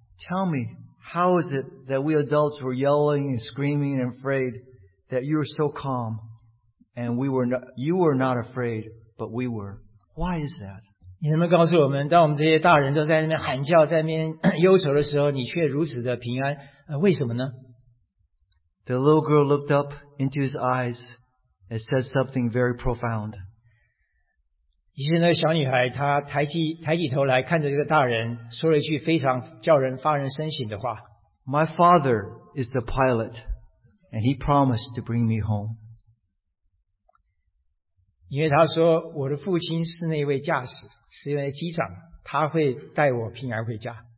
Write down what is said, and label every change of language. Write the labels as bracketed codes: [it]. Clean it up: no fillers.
[en] Tell me, how is it that we adults were yelling and screaming and afraid, that you were so calm, and you were not afraid, but we were? Why is that? [zh] 你能不能告诉我们，当我们这些大人都在那边喊叫、在那边忧愁的时候，你却如此的平安？为什么呢？ [en] The little girl looked up into his eyes and said something very profound. [zh] 于是那个小女孩她抬起头来看着这个大人，说了一句非常叫人发人深省的话。 [en] My father is the pilot, and he promised to bring me home. [zh] 因为她说我的父亲是那位驾驶，是那位机长，他会带我平安回家。